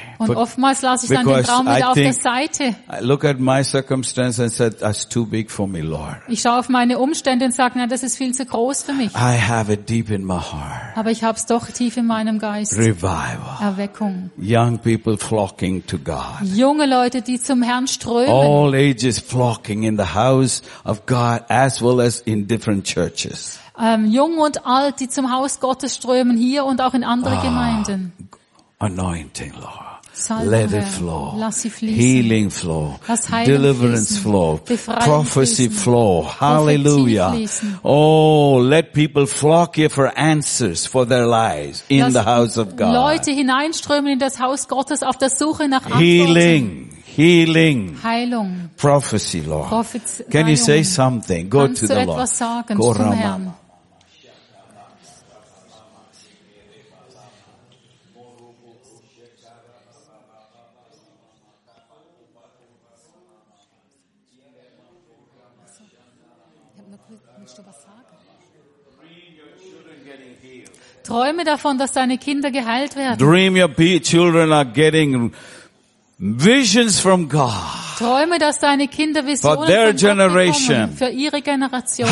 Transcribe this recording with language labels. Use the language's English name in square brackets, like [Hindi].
[German] Und oftmals lasse ich dann den Traum wieder auf der Seite. [English] I look at my circumstances and say, that's too big for me, Lord. [German] Ich schaue auf meine Umstände und sage, nein, das ist viel zu groß für mich. [English] I have it deep in my heart. [German] Aber ich habe es doch tief in meinem Geist. [English] Revival. [German] Erweckung. [English] Young people flocking to God. [German] Junge Leute, die zum Herrn strömen. [English] All ages flocking in the house of God as well as in different churches. [German] Jung und alt, die zum Haus Gottes strömen, hier und auch in andere Gemeinden. [English] Anointing, Lord. Let it flow. Healing flow. Deliverance flow. Prophecy flow. Hallelujah. Oh, let people flock here for answers for their lives in the house of God. [German] Leute hineinströmen in das Haus Gottes auf der Suche nach [English] Antworten. Healing. Healing. [German] Heilung. [English] Prophecy, Lord. Can you say something? Go to the Lord. Go Rama. [German] Träume davon, dass deine Kinder geheilt werden. [English] Dream your children are getting visions from God. [German] Träume, dass deine Kinder Visionen von Gott bekommen für ihre Generation.